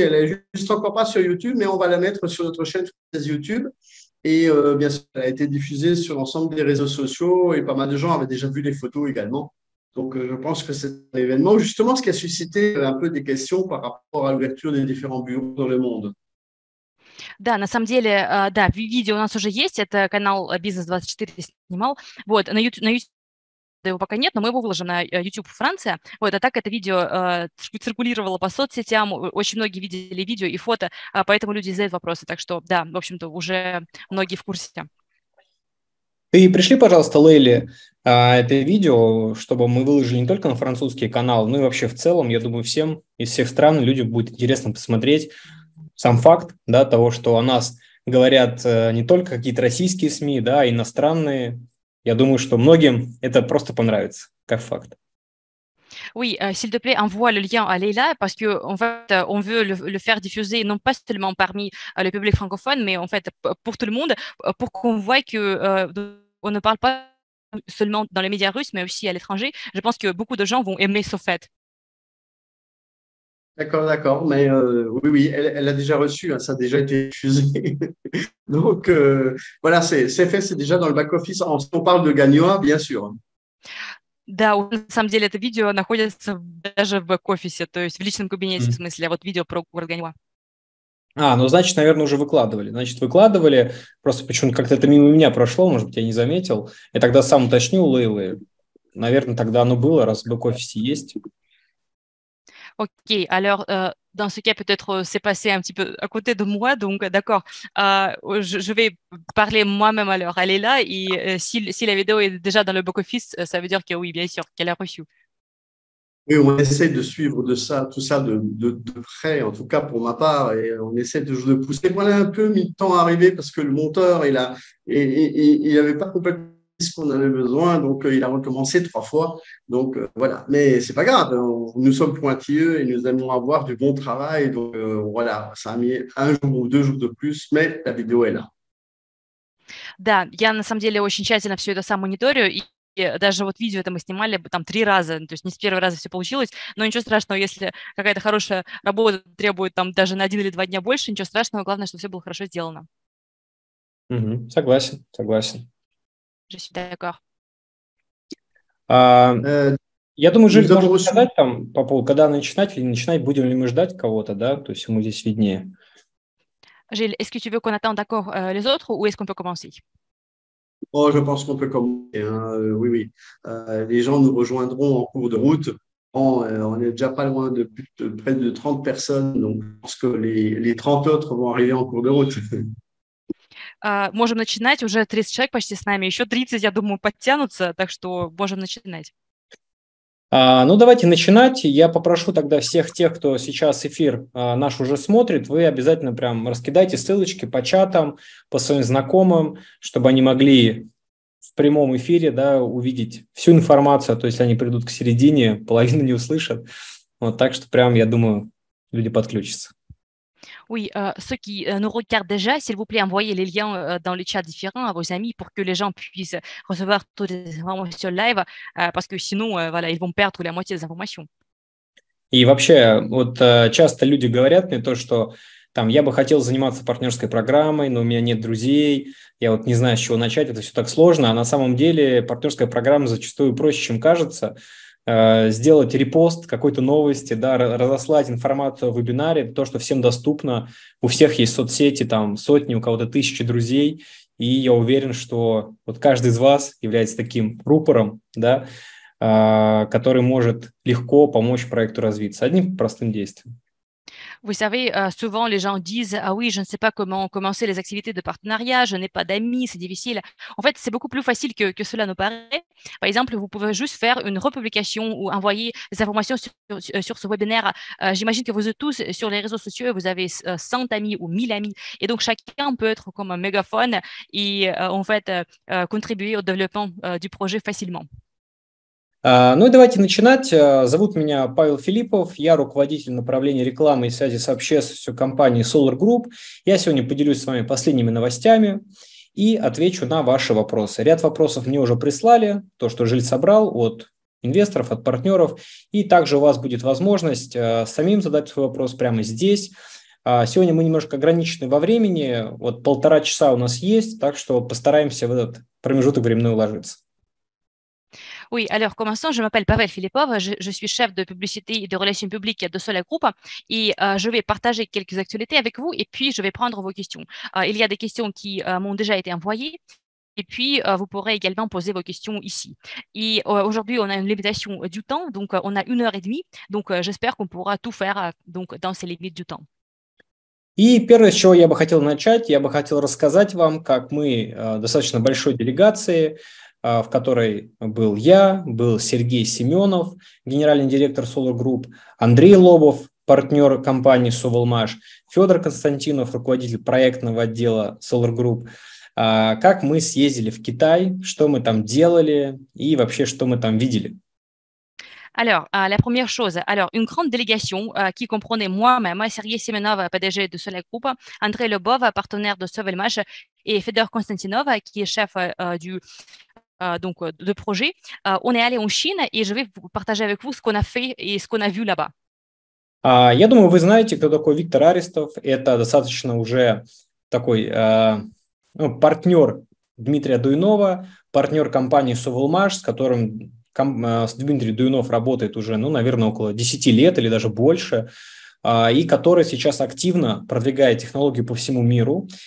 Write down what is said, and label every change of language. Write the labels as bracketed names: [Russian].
[French] Elle est juste encore pas sur YouTube, mais on va la mettre sur notre chaîne YouTube. Et bien sûr, elle a été diffusée sur l'ensemble des réseaux sociaux et pas mal de gens avaient déjà vu les photos également. Donc, je pense que c'est un événement, justement, ce qui a suscité un peu des questions par rapport à l'ouverture des différents bureaux dans le monde. [Russian] Да, на самом деле, да, видео у нас уже есть, это канал «Бизнес 24» снимал, вот, на YouTube. Его пока нет, но мы его выложим на YouTube Франция. Вот, а так это видео циркулировало по соцсетям, очень многие видели видео и фото, поэтому люди задают вопросы, так что, да, в общем-то, уже многие в курсе. И пришли, пожалуйста, Лейли, это видео, чтобы мы выложили не только на французский канал, но и вообще в целом, я думаю, всем из всех стран людям будет интересно посмотреть сам факт, да, того, что о нас говорят не только какие-то российские СМИ, да, иностранные. Я думаю, что многим это просто понравится, как факт. [French] Oui, s'il te plaît, envoie le lien à Leïla, parce que en fait, on veut le faire diffuser non pas seulement parmi le public francophone, mais en fait pour tout le monde, pour qu'on voit que on ne parle pas seulement dans les médias russes, mais aussi à l'étranger. Je pense que beaucoup de gens vont aimer ce fait. D'accord, d'accord, mais oui, elle a déjà reçu, hein, ça a déjà été diffusé. Donc, voilà, c'est fait, c'est déjà dans le back-office. On parle de Gagnon, bien sûr. [Russian] Да, на самом деле, это видео находится даже в back-office, то есть в личном кабинете, в смысле, а вот видео про город Gagnon. А, ну, значит, наверное, уже выкладывали. Значит, выкладывали, просто почему-то как-то это мимо меня прошло, может быть, я не заметил. Я тогда сам уточню у Лейлы. Наверное, тогда оно было, раз в back-office есть. [French] Ok, alors dans ce cas, peut-être c'est passé un petit peu à côté de moi, donc d'accord, je vais parler moi-même alors. Elle est là et si la vidéo est déjà dans le back-office, ça veut dire que oui, bien sûr, qu'elle a reçu. Oui, on essaie de suivre de ça, tout ça de près, en tout cas pour ma part, et on essaie toujours de pousser. Voilà un peu mis le temps à arriver parce que le monteur, il n'avait pas complètement... ce qu'on avait besoin, donc il a recommencé 3 fois, donc voilà, mais c'est pas grave, nous sommes pointilleux et nous aimons avoir du bon travail, donc voilà, ça a mis 1 ou 2 jours de plus, mais la vidéo est là. [Russian] Да, я на самом деле очень тщательно все это сам мониторю, и даже вот видео это мы снимали там 3 раза, то есть не с первого раза все получилось, но ничего страшного, если какая-то хорошая работа требует там даже на 1 или 2 дня больше, ничего страшного, главное, чтобы все было хорошо сделано. Согласен, согласен. [French] Je suis d'accord. [Russian] Я думаю, Жиль, можно сказать там по поводу, когда начинать или не начинать, будем ли мы ждать кого-то, да? То есть ему здесь виднее. [French] Жиль, est-ce que tu veux qu'on attend d'accord les autres ou est-ce qu'on peut commencer? Oh, je pense qu'on peut commencer. Hein. Oui, oui. Les gens nous rejoindront en cours de route. On est déjà pas loin de près de 30 personnes, donc je pense que les 30 autres vont arriver en cours de route. [Russian] Можем начинать, уже 30 человек почти с нами, еще 30, я думаю, подтянутся, так что можем начинать. Ну, давайте начинать. Я попрошу тогда всех тех, кто сейчас эфир наш уже смотрит, вы обязательно прям раскидайте ссылочки по чатам, по своим знакомым, чтобы они могли в прямом эфире, да, увидеть всю информацию, то есть они придут к середине, половину не услышат. Вот так что прям, я думаю, люди подключатся. [French] Oui, ceux qui nous regardent déjà, s'il vous plaît, envoyez les liens dans les chats différents à vos amis pour que les gens puissent recevoir toutes les informations live, parce que sinon, voilà, ils vont perdre la moitié des informations. [Russian] И вообще, вот часто люди говорят мне то, что там я бы хотел заниматься партнерской программой, но у меня нет друзей, я вот не знаю, с чего начать, это все так сложно. А на самом деле партнерская программа зачастую проще, чем кажется. Сделать репост какой-то новости, да, разослать информацию о вебинаре, то, что всем доступно, у всех есть соцсети, там сотни, у кого-то 1000 друзей, и я уверен, что вот каждый из вас является таким рупором, да, который может легко помочь проекту развиться одним простым действием. [French] Vous savez, souvent les gens disent « Ah oui, je ne sais pas comment commencer les activités de partenariat, je n'ai pas d'amis, c'est difficile. » En fait, c'est beaucoup plus facile que cela nous paraît. Par exemple, vous pouvez juste faire une republication ou envoyer des informations sur ce webinaire. J'imagine que vous êtes tous sur les réseaux sociaux, vous avez 100 amis ou 1000 amis. Et donc, chacun peut être comme un mégaphone et en fait, contribuer au développement du projet facilement. [Russian] Ну и давайте начинать. Зовут меня Павел Филиппов, я руководитель направления рекламы и связи с общественностью компании Solar Group. Я сегодня поделюсь с вами последними новостями и отвечу на ваши вопросы. Ряд вопросов мне уже прислали, то, что Жиль собрал от инвесторов, от партнеров. И также у вас будет возможность самим задать свой вопрос прямо здесь. Сегодня мы немножко ограничены во времени, вот 1,5 часа у нас есть, так что постараемся в этот промежуток временной уложиться. [French] Oui, alors commençons. Je m'appelle Pavel Filipov, je suis chef de publicité et de relations publiques de Solar Group et je vais partager quelques actualités avec vous et puis je vais prendre vos questions. Il y a des questions qui m'ont déjà été envoyées et puis vous pourrez également poser vos questions ici. Et aujourd'hui, on a une limitation du temps, donc on a 1 heure et demie, donc j'espère qu'on pourra tout faire donc, dans ces limites du temps. [Russian] И первое, с чего я бы хотел начать, я бы хотел рассказать вам, как мы достаточно большой делегации, в которой был я, был Сергей Семенов, генеральный директор Solar Group, Андрей Лобов, партнер компании Sovelmash, Федор Константинов, руководитель проектного отдела Solar Group, как мы съездили в Китай, что мы там делали и вообще, что мы там видели. [French] Alors, la première chose, alors, une grande délégation qui comprenait moi-même, Sergei Semenov, PDG de Solar Group, André Lebov, partenaire de Sovelmash, et Fedor Konstantinov, qui est chef de projet. On est allé en Chine et je vais partager avec vous ce qu'on a fait et ce qu'on a vu là-bas. [Russian] Я думаю, вы знаете, кто такой Виктор Арестов. Это достаточно уже такой партнер Дмитрия Дуйнова, партнер компании Sovelmash, с которым Дмитрий Дуйнов работает уже, ну, наверное, около 10 лет или даже больше, и который сейчас активно продвигает технологию по всему миру.